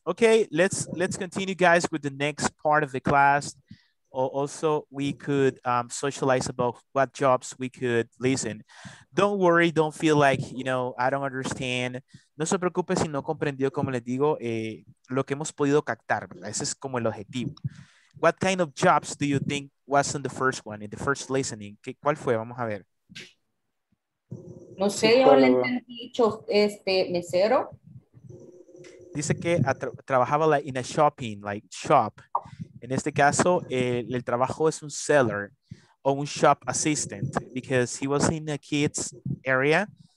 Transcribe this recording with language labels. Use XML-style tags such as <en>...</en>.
<en>Okay, let's continue, guys, with the next part of the class. Also, we could socialize about what jobs we could listen. Don't worry. Don't feel like, you know, I don't understand.</en> <es>No se preocupe si no comprendió, como les digo, lo que hemos podido captar, ¿verdad? Ese es como el objetivo.</es> <en>What kind of jobs do you think was in the first one, in the first listening?</en> <es>¿Qué, cuál fue? Vamos a ver. No sé, yo le entendí dicho este mesero.</es> <en>Dice que trabajaba like, in a shopping, like shop.</en> <es>En este caso, el trabajo es un seller o un shop assistant because he was in a kids area.</es>